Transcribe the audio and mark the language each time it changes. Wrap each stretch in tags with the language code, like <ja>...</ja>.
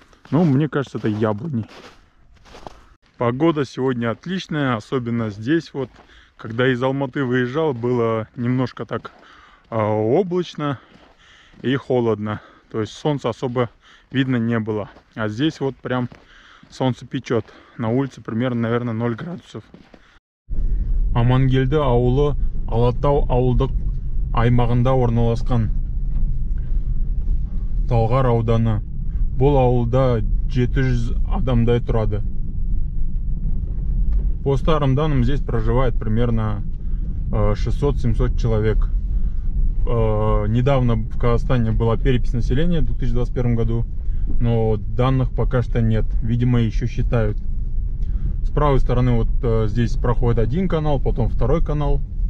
<ru>Но мне кажется, это яблони. Погода сегодня отличная, особенно здесь вот. Когда из Алматы выезжал, было немножко так облачно и холодно. То есть солнца особо видно не было. А здесь вот прям солнце печет. На улице примерно, наверное, 0 градусов.</ru> <kk>Амангельде аулы Алатау ауылдық аймағында орналасқан. Талғар ауданы. Бұл ауылда 700 адамдай тұрады.</kk> <ru>По старым данным, здесь проживает примерно 600-700 человек. Недавно в Казахстане была перепись населения в 2021 году, но данных пока что нет. Видимо, еще считают. С правой стороны вот здесь проходит один канал, потом второй канал.</ru>